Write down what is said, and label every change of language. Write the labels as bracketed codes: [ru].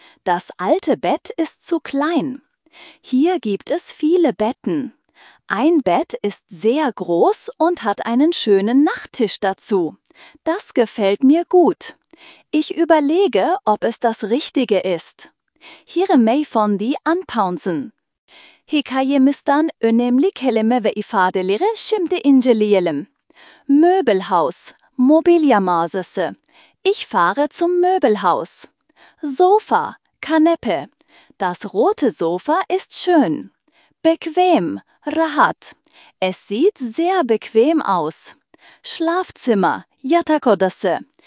[de] Das alte Bett ist zu klein. Hier gibt es viele Betten. Ein Bett ist sehr groß und hat einen schönen Nachttisch dazu. Das gefällt mir gut. Ich überlege, ob es das Richtige ist. Hier may von die anpouncen. [tr] Hikaye mistan önemli kelime ve ifadeleri şimdi inceleyelim. Möbelhaus, mobilya mağazası. [de] Ich fahre zum Möbelhaus. Sofa, kanepe. Das rote Sofa ist schön. Bequem, rahat. Es sieht sehr bequem aus. Schlafzimmer, [tr] yatak odası.